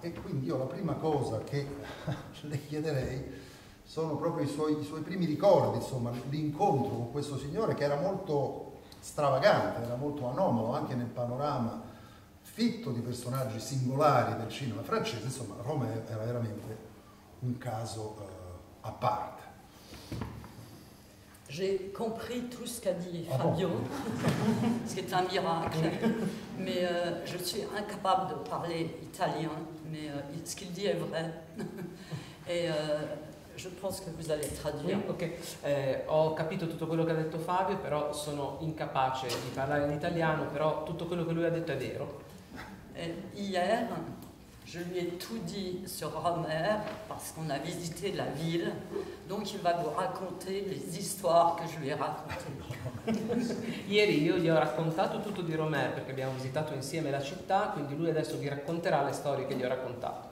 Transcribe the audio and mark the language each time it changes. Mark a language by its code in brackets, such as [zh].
[it] E quindi io la prima cosa che le chiederei sono proprio i suoi primi ricordi, insomma, l'incontro con questo signore che era molto stravagante, era molto anomalo anche nel panorama fitto di personaggi singolari del cinema francese. Insomma, Rohmer era veramente un caso a parte. [fr] J'ai compris tout ce qu'a dit Fabio, ce qui est un miracle, mais je suis incapable de parler italien, mais ce qu'il dit est vrai. Et je pense que vous allez traduire. [it] Oui, ok, ho capito tutto quello che ha detto Fabio, però sono incapace di parlare in italiano, però tutto quello che lui ha detto è vero. [fr] Hier, je lui ai tout dit sur Rohmer parce qu'on a visité la ville, donc il va vous raconter les histoires que je lui ai racontées. [it] Ieri io gli ho raccontato tutto di Rohmer perché abbiamo visitato insieme la città, quindi lui adesso vi racconterà le storie che gli ho raccontato.